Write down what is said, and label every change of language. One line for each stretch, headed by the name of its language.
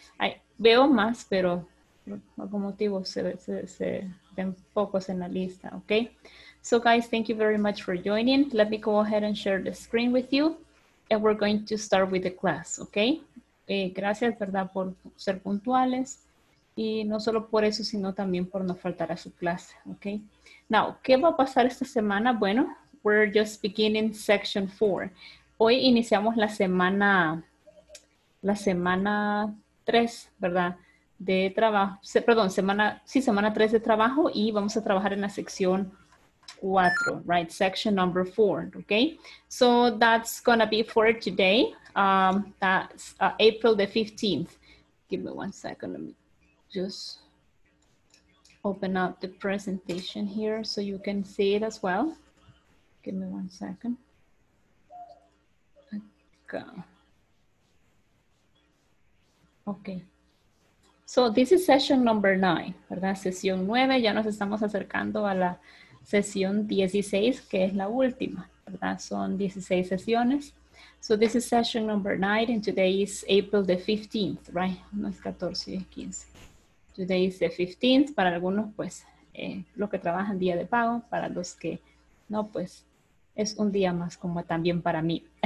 Spanish: I veo más, pero por algún motivo se ven pocos en la lista, okay?
English: So guys, thank you very much for joining. Let me go ahead and share the screen with you and we're going to start with the class, okay?
Spanish: Gracias, verdad, por ser puntuales y no solo por eso, sino también por no faltar a su clase, okay?
English: Now,
Spanish: ¿qué va a pasar esta semana? Bueno,
English: we're just beginning section 4.
Spanish: Hoy iniciamos la semana 3, ¿verdad? De trabajo, perdón, semana 3 de trabajo y vamos a trabajar en la sección 4, right?
English: Section number 4, okay? So that's gonna be for today. That's April the 15th. Give me 1 second, let me just open up the presentation here so you can see it as well. Give me 1 second. Okay. So this is session number 9,
Spanish: ¿verdad? Sesión 9, ya nos estamos acercando a la sesión 16, que es la última, ¿verdad? Son 16 sesiones.
English: So this is session number 9, and today is April the 15th, right?
Spanish: No es 14, es 15.
English: Today is the 15th,
Spanish: para algunos, pues, los que trabajan día de pago, para los que no, pues, es un día más como también para mí.